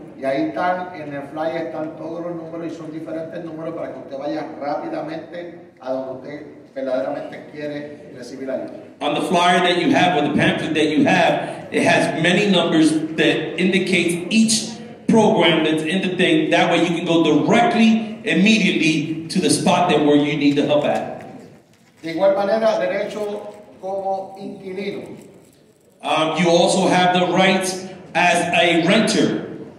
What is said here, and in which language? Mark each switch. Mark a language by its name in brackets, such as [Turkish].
[Spanish] Y ahí están, en el flyer están todos los números y son diferentes números para que usted vaya rápidamente a donde usted verdaderamente quiere recibir ayuda. [English] On the flyer that you have or the pamphlet that you have, it has many numbers that indicates each program that's in the thing. That way you can go directly, immediately to the spot that where you need the help at. [Spanish] De igual manera, derecho como inquilino. [English] You also have the rights as a renter.